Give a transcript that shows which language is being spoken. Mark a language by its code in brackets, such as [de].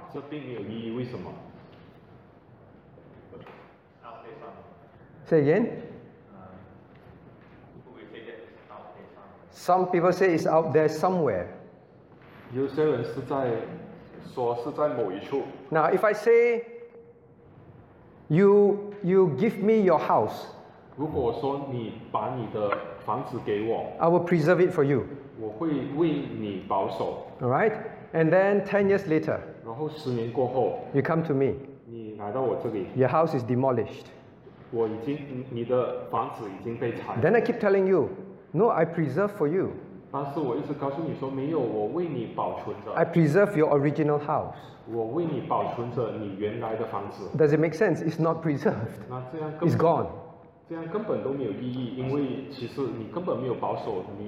[zh] 这并没有意义, 为什么? [en] Say again. Some people say it's out there somewhere. [zh] 有些人是在说是在某一处. [en] Now, if I say, you give me your house, [zh] 如果我说你把你的房子给我, [en] I will preserve it for you. [zh] 我会为你保守. [en] Alright? And then 10 years later, [zh] 然后10年过后, [en] you come to me. [zh] 你来到我这里, [en] your house is demolished. [zh] 我已经,你的房子已经被拆. [en] Then I keep telling you, no, I preserve for you. [zh] 但是我一直告诉你说没有,我为你保存着. [en] I preserve your original house. [zh] 我为你保存着你原来的房子. [en] Does it make sense? It's not preserved. [zh] 那这样根本, [en] it's gone. [zh] 这样根本都没有意义, 因为其实你根本没有保守,